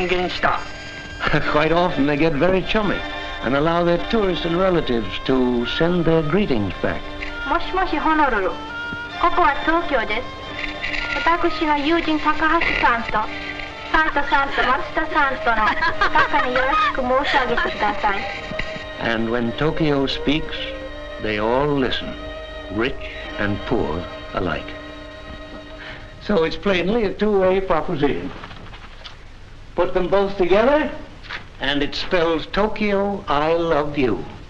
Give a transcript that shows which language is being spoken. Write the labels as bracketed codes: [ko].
[en] Quite often they get very chummy and allow their tourists and relatives to send their greetings back. [ja] もしもし、ホノルル。ここは東京です。私の友人高橋さんと、サンタさんと松田さんとの高によろしく申し上げてください。 [en] And when Tokyo speaks, they all listen, rich and poor alike. So it's plainly a two-way proposition. Put them both together, and it spells Tokyo, I love you.